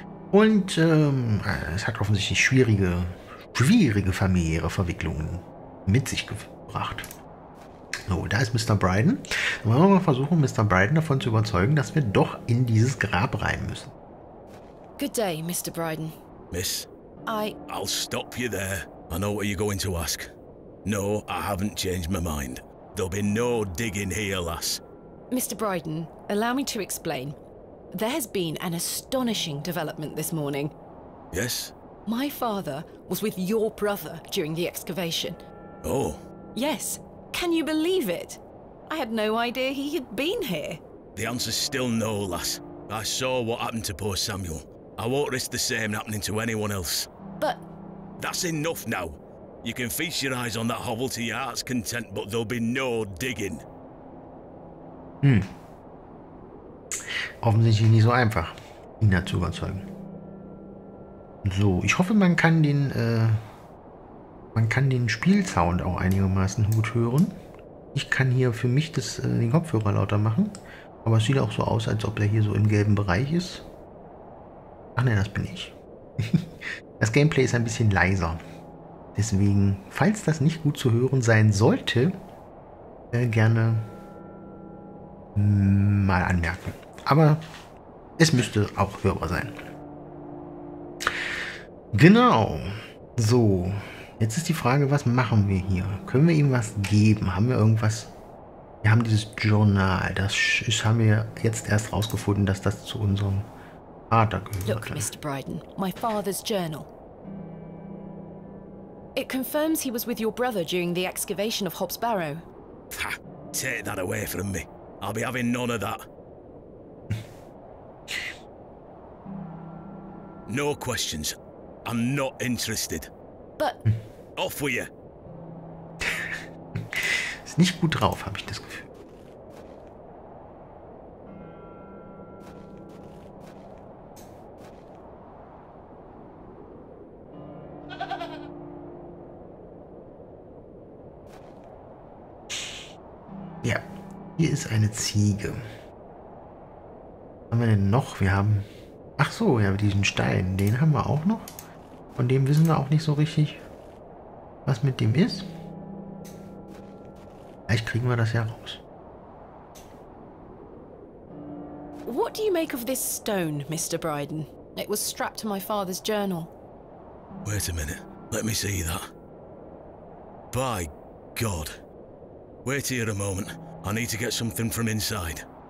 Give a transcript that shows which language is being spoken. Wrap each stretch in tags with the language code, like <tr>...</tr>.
<de>Und es hat offensichtlich schwierige familiäre Verwicklungen mit sich gebracht. So, da ist Mr. Bryden. Dann wollen wir mal versuchen, Mr. Bryden davon zu überzeugen, dass wir doch in dieses Grab rein müssen.</de> <en>Good day, Mr. Bryden. Miss? I'll stop you there. I know what you're going to ask. No, I haven't changed my mind. There'll be no digging here, lass. Mr. Bryden, allow me to explain. There has been an astonishing development this morning. Yes? My father was with your brother during the excavation. Oh. Yes. Can you believe it? I had no idea he had been here. The answer's still no, lass. I saw what happened to poor Samuel. I won't risk the same happening to anyone else. But... That's enough now. You can feast your eyes on that hovel to your heart's content, but there'll be no digging.</en> <de>Offensichtlich nicht so einfach, ihn dazu überzeugen. So, ich hoffe, man kann den Man kann den Spielsound auch einigermaßen gut hören. Ich kann hier für mich den Kopfhörer lauter machen. Aber es sieht auch so aus, als ob er hier so im gelben Bereich ist. Ach nein, das bin ich. Das Gameplay ist ein bisschen leiser. Deswegen, falls das nicht gut zu hören sein sollte, gerne mal anmerken. Aber es müsste auch hörbar sein. Genau. So, jetzt ist die Frage, was machen wir hier? Können wir ihm was geben? Haben wir irgendwas? Wir haben dieses Journal. Das haben wir jetzt erst rausgefunden, dass das zu unserem Vater gehört.</de> <en>Look, Mr. Bryden, my father's journal. It confirms he was with your brother during the excavation of Hobbs Barrow. Ha, take that away from me. I'll be having none of that. No questions. I'm not interested. But... Off with you.</en> <de>Ist nicht gut drauf, habe ich das Gefühl. Ja, hier ist eine Ziege. Was haben wir denn noch? Wir haben... Ach so, ja, diesen Stein, den haben wir auch noch. Von dem wissen wir auch nicht so richtig, was mit dem ist. Vielleicht kriegen wir das ja raus.</de> <en>What do you make of this stone, Mr. Bryden? It was strapped to my father's journal. Wait a minute. Let me see that. By God. Wait here a moment. I need to get something from inside.</en>